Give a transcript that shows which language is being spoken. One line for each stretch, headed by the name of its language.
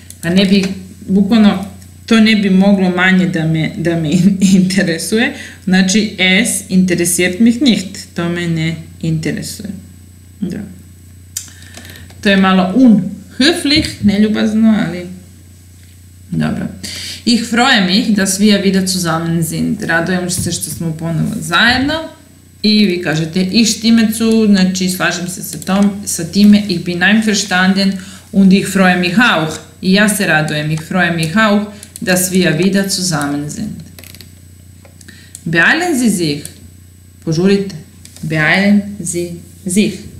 Serbian: A ne bi, bukvalno, to ne bi moglo manje da me interesuje.
German: Znači, es interessiert mich nicht.
Serbian: To me ne interesuje. Da. To je malo unhöflich, neljubazno, ali... Dobro.
German: Ich freue mich, dass wir wieder zusammen sind.
Serbian: Radujem se što smo ponovo zajedno. I vi kažete
German: ich stimme zu,
Serbian: znači slažem se sa time,
German: ich bin einverstanden und ich freue mich auch.
Serbian: I ja se radujem,
German: ich freue mich auch, dass wir wieder zusammen sind. Beeilen Sie sich.
Serbian: Požurite.
German: Beeilen Sie sich.